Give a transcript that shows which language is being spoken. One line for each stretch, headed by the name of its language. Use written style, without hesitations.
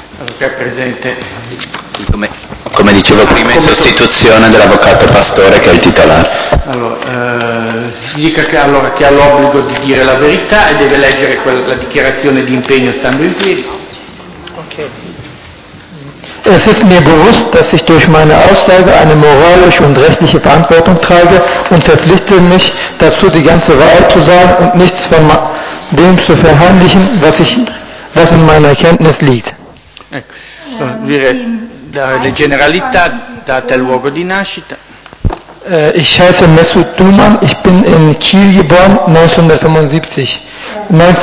Italian: Come dicevo prima, in sostituzione dell'avvocato pastore che è il titolare. Allora, si dica che, allora, che ha l'obbligo di dire la verità e deve leggere la dichiarazione di impegno stando in piedi. Ok.
German: Es ist mir bewusst, dass ich durch meine Aussage eine moralische und rechtliche Verantwortung trage und verpflichte mich dazu, die ganze Wahrheit zu sagen und nichts von dem zu verheimlichen, was in meiner Kenntnis liegt.
Italian: Ecco, le generalità, data e luogo di nascita.
German: Ich heiße Mesut Duman, ich bin in Kiel geboren, 1975, 19.11.1975.